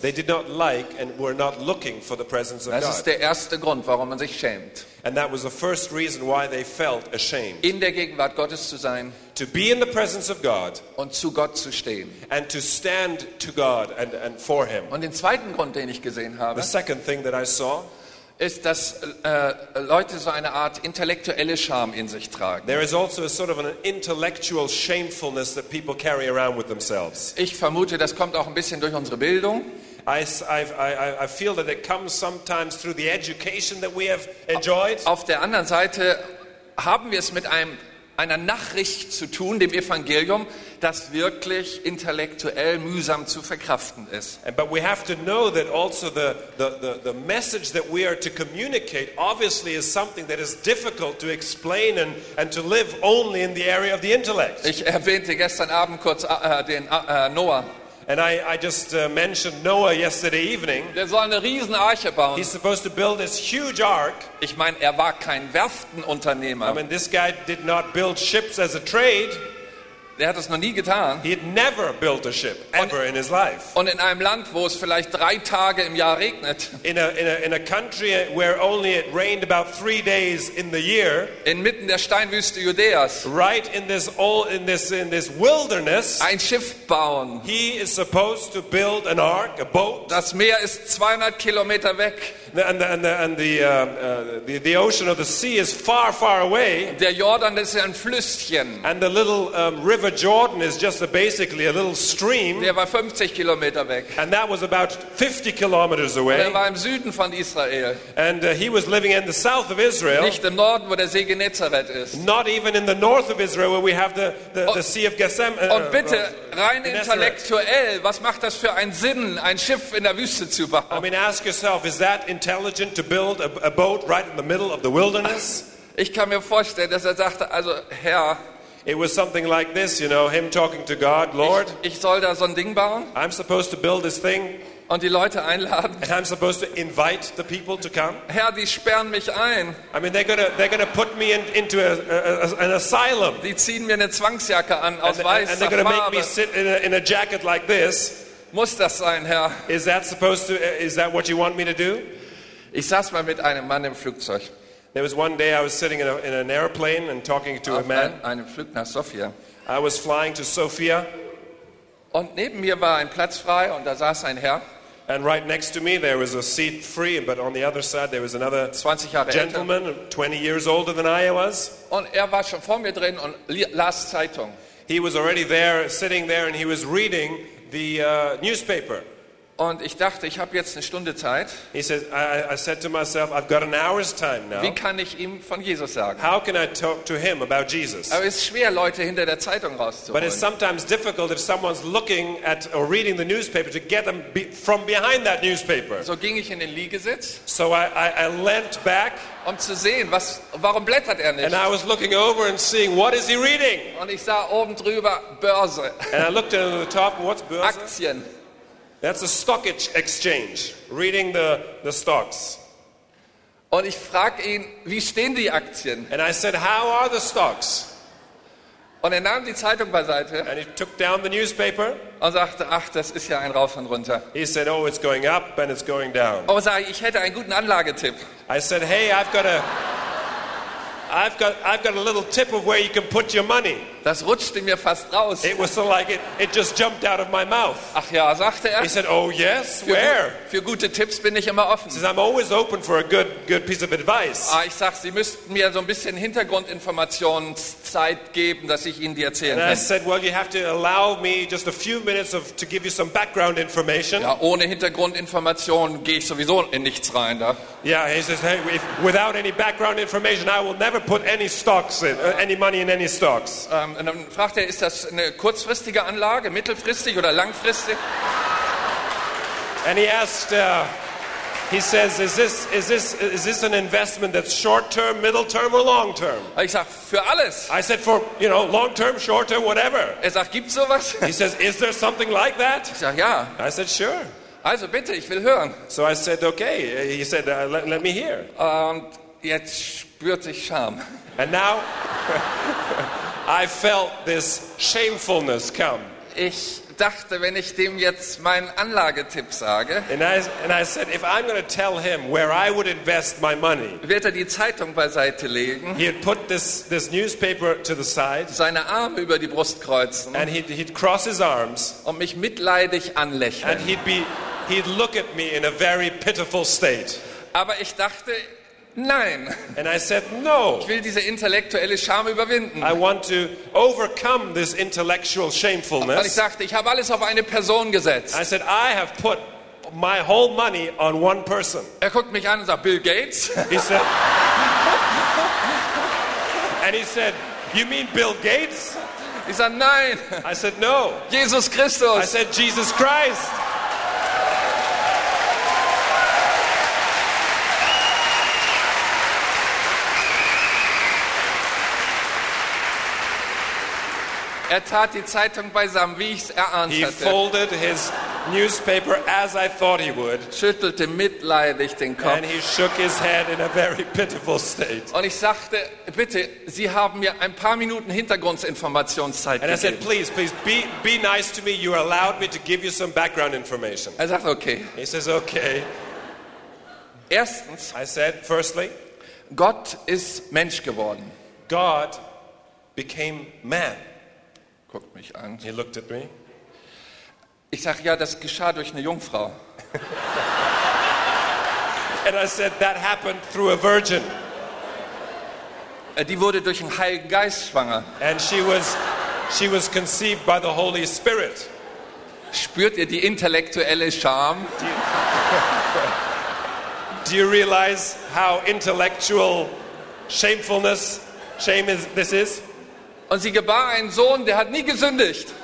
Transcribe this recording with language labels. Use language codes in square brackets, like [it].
[en] They did not like and were not looking for the presence of [de] das [en] God. [de] Das ist der erste Grund, warum man sich schämt. [en] And that was the first reason why they felt ashamed. [de] In der Gegenwart Gottes zu sein, [en] to be in the presence of God, [de] und zu Gott zu stehen, [en] and to stand to God and for him. [de] Und den zweiten Grund, den ich gesehen habe, [en] the second thing that I saw, [de] ist, dass Leute so eine Art intellektuelle Scham in sich tragen. [en] There is also a sort of an intellectual shamefulness that people carry around with themselves. [de] Ich vermute, das kommt auch ein bisschen durch unsere Bildung. [en] I feel that it comes sometimes through the education that we have enjoyed. [de] Auf der anderen Seite haben wir es mit einer Nachricht zu tun, dem Evangelium, das wirklich intellektuell mühsam zu verkraften ist. [en] But we have to know that also the message that we are to communicate obviously is something that is difficult to explain and to live only in the area of the intellect. [de] Ich erwähnte gestern Abend kurz Noah. [en] And I just mentioned Noah yesterday evening. [de] Der soll eine riesen Arche bauen. [en] He's supposed to build this huge ark. [de] Ich meine, er war kein Werftenunternehmer. [en] I mean, this guy did not build ships as a trade. [de] Der hat das noch nie getan. [en] He had never built a ship ever in his life. [de] Und in einem Land, wo es vielleicht 3 Tage im Jahr regnet. [en] In a country where only it rained about 3 days in the year. [de] Inmitten der Steinwüste Judäas. [en] Right in this wilderness. [de] Ein Schiff bauen. [en] He is supposed to build an ark, a boat. [de] Das Meer ist 200 Kilometer weg. [en] And the ocean of the sea is far, far away. [de] Der Jordan ist ein Flüsschen. [en] And the little river Jordan is just basically a little stream. [de] Der war 50 Kilometer weg. [en] And that was about 50 kilometers away. [de] Der war im Süden von Israel. [en] And he was living in the south of Israel. [de] Nicht im Norden, wo der See Genezareth ist. [en] Not even in the north of Israel, where we have the Sea of Gethsemane. [de] Und bitte, rein intellektuell, was macht das für einen Sinn, ein Schiff in der Wüste zu bauen? [en] I mean, ask yourself, is that intelligent to build a boat right in the middle of the wilderness? [de] Ich kann mir vorstellen, dass er sagte, also Herr, [en] it was something like this, you know, him talking to God, Lord, [de] ich soll da so ein Ding bauen? [en] I'm supposed to build this thing. [de] Und die Leute einladen. [en] And I'm supposed to invite the people to come. [de] Herr, die sperren mich ein. [en] I mean, they're gonna put me into an asylum. [de] Die ziehen mir eine Zwangsjacke an aus weißer Farbe. [en] And they're gonna make me sit in a jacket like this. [de] Muss das sein, Herr? [en] Is that what you want me to do? [de] Ich saß mal mit einem Mann im Flugzeug. [en] There was one day I was sitting in an airplane and talking to [de] auf [en] a man. [de] Einem Flug nach Sofia. [en] I was flying to Sofia. [de] Und neben mir war ein Platz frei und da saß ein Herr. [en] And right next to me there was a seat free, but on the other side there was another [de] 20 Jahre [en] gentleman, [de] älter. [en] 20 years older than I was. [de] Und er war schon vor mir drin und las Zeitung. [en] He was already there, sitting there, and he was reading the newspaper. [de] Und ich dachte, ich habe jetzt eine Stunde Zeit. [en] He says, I said to myself, I've got an hour's time now. [de] Wie kann ich ihm von Jesus sagen? [en] How can I talk to him about Jesus? [de] Aber es ist schwer, Leute hinter der Zeitung rauszuholen. [en] But it's sometimes difficult if someone's looking at or reading the newspaper to get them from behind that newspaper. [de] So ging ich in den Liegesitz. [en] So I leant back. [de] Um zu sehen, warum blättert er nicht? [en] And I was looking over and seeing, what is he reading? [de] Und ich sah oben drüber Börse. [en] And I looked over the top, what's Börse? [de] Aktien. [en] That's a stock exchange, reading the stocks. [de] Und ich frag ihn, wie stehen die Aktien? [en] And I said, how are the stocks? [de] Und er nahm die Zeitung beiseite. [en] And he took down the newspaper. [de] Und sagte, ach, das ist ja ein Rauf und Runter. [en] He said, oh, it's going up and it's going down. [de] Oh, sag ich, ich hätte einen guten Anlagetipp. [en] I said, hey, I've got a little tip of where you can put your money. [de] Das rutschte mir fast raus. [en] It was so like it just jumped out of my mouth. [de] Ach ja, sagte er. [en] He said, oh yes, where? [de] Für gute Tipps bin ich immer offen. [en] He says, I'm always open for a good piece of advice. [de] Ah, ich sag, Sie müssten mir so ein bisschen Hintergrundinformationszeit geben, dass ich Ihnen die erzählen kann. [en] And I said, well, you have to allow me just a few minutes to give you some background information. [de] Ja, ohne Hintergrundinformation gehe ich sowieso in nichts rein, da. [en] Yeah, he says, hey, without any background information, I will never put any stocks in, any money in any stocks. [de] Und dann fragt er, ist das eine kurzfristige Anlage, mittelfristig oder langfristig? [en] And he asked, he says, is this an investment that's short term, middle term or long term? [de] Ich sag, für alles. [en] I said, for, you know, long term, short term, whatever. [de] Er sagt, gibt's sowas? [en] He says, is there something like that? [de] Ich sag, ja. [en] I said, sure. [de] Also bitte, ich will hören. [en] So I said, okay. He said, let me hear. [de] Und jetzt spürt sich Scham. [en] And now I felt this shamefulness come. [de] Ich dachte, wenn ich dem jetzt meinen Anlagetipp sage, [en] and I said, if I'm going to tell him where I would invest my money, [de] wird er die Zeitung beiseite legen, [en] he'd put this newspaper to the side, [de] seine Arme über die Brust kreuzen, [en] and he'd cross his arms, [de] und mich mitleidig anlächeln, [en] and he'd look at me in a very pitiful state. [de] Aber ich dachte, nein. [en] And I said no. [de] Ich will diese intellektuelle Scham überwinden. [en] I want to overcome this intellectual shamefulness. [de] Und ich sagte, ich habe alles auf eine Person gesetzt. [en] I said I have put my whole money on one person. [de] Er guckt mich an und sagt, Bill Gates? [en] He said, and he said, you mean Bill Gates? [de] Ich sagte, nein. [en] I said no. [de] Jesus Christus. [en] I said Jesus Christ. [de] Er tat die Zeitung beisammen, wie ich es erahnt hatte. [en] He folded his newspaper as I thought he would. [de] Schüttelte mitleidig den Kopf. [en] And he shook his head in a very pitiful state. [de] Und ich sagte, bitte, Sie haben mir ein paar Minuten Hintergrundinformationszeit gegeben. [en] And I said, please, please, be nice to me. You allowed me to give you some background information. [de] Er sagt, okay. [en] He says, okay. [de] Erstens, [en] I said, firstly, [de] Gott ist Mensch geworden. [en] God became man. [de] Guckt mich an. [en] He looked at me. [de] Ich sage, ja, das geschah durch eine Jungfrau. [en] And I said, that happened through a virgin. [de] Die wurde durch den Heiligen Geist schwanger. [en] And she was conceived by the Holy Spirit. [de] Spürt ihr die intellektuelle Scham? [en] Do you realize how intellectual shame is, this is? [de] Und sie gebar einen Sohn, der hat nie gesündigt.